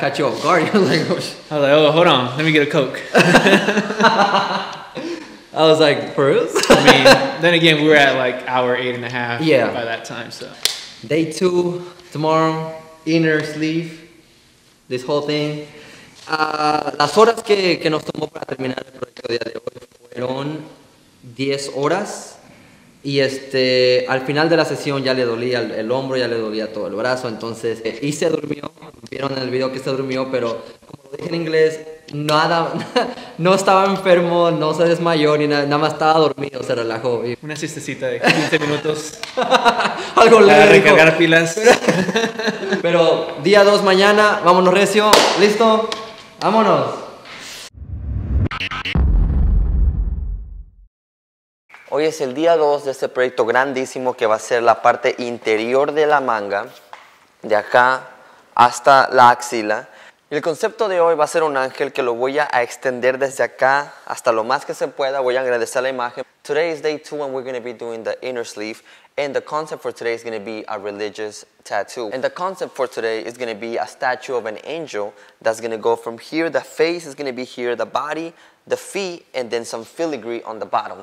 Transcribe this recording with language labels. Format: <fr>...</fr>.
<en>Caught you off guard. You're like, oh, I was like, oh, hold on. Let me get a Coke. I was like, for us? I mean, then again, we were at like hour 8.5 yeah. by that time, so. Day two, tomorrow, inner sleeve, this whole thing.</en> <es>Las horas que nos tomó para terminar el proyecto día de hoy fueron 10 horas. Y este, al final de la sesión ya le dolía el hombro, ya le dolía todo el brazo, entonces, y se durmió, vieron en el video que se durmió, pero como lo dije en inglés, nada, no estaba enfermo, no se desmayó, ni nada, nada más estaba dormido, se relajó. Y... una siestecita de 15 minutos. Algo leve. Para recargar pilas. Pero día 2 mañana, vámonos recio, listo, vámonos. Hoy es el día 2 de este proyecto grandísimo que va a ser la parte interior de la manga, de acá hasta la axila. Y el concepto de hoy va a ser un ángel que lo voy a extender desde acá hasta lo más que se pueda. Voy a agradecer la imagen.</es> <en>Today is day 2 and we're going to be doing the inner sleeve. And the concept for today is going to be a religious tattoo. And the concept for today is going to be a statue of an angel that's going to go from here. The face is going to be here, the body, the feet, and then some filigree on the bottom.</en>